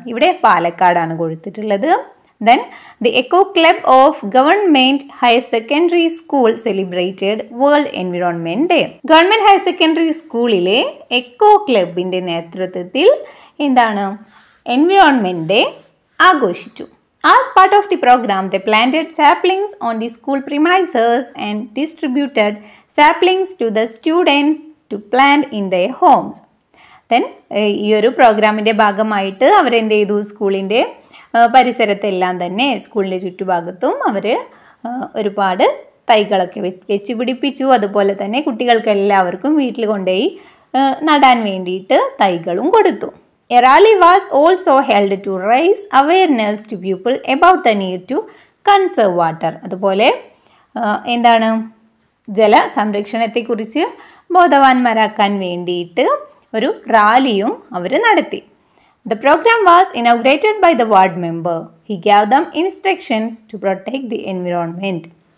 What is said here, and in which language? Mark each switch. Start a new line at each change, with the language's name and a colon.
Malayalam: ഇവിടെ പാലക്കാടാണ് കൊടുത്തിട്ടുള്ളത്.
English: Then the eco club of government higher secondary school celebrated world environment day.
Malayalam: Government higher secondary സ്കൂളിലെ echo ക്ലബിൻ്റെ നേതൃത്വത്തിൽ എന്താണ് എൻവിറോൺമെൻറ് ഡേ ആഘോഷിച്ചു.
English: As part of the program, they planted saplings on the school premises and distributed saplings to the students to plant in their homes.
Malayalam: Then, ഈ ഒരു പ്രോഗ്രാമിൻ്റെ ഭാഗമായിട്ട് അവരെന്ത് ചെയ്തു? സ്കൂളിൻ്റെ പരിസരത്തെല്ലാം തന്നെ, സ്കൂളിൻ്റെ ചുറ്റുഭാഗത്തും അവർ ഒരുപാട് തൈകളൊക്കെ വെച്ച് പിടിപ്പിച്ചു. അതുപോലെ തന്നെ കുട്ടികൾക്ക് എല്ലാവർക്കും വീട്ടിൽ കൊണ്ടുപോയി നടാൻ വേണ്ടിയിട്ട് തൈകളും കൊടുത്തു.
English: A rally was also held to raise awareness to people about the need to conserve water.
Malayalam: അതുപോലെ എന്താണ് ജലസംരക്ഷണത്തെക്കുറിച്ച് ബോധവാന്മാരാക്കാൻ വേണ്ടിയിട്ട് ഒരു റാലിയും അവർ നടത്തി.
English: The programme was inaugurated by the ward member. He gave them instructions to protect the environment.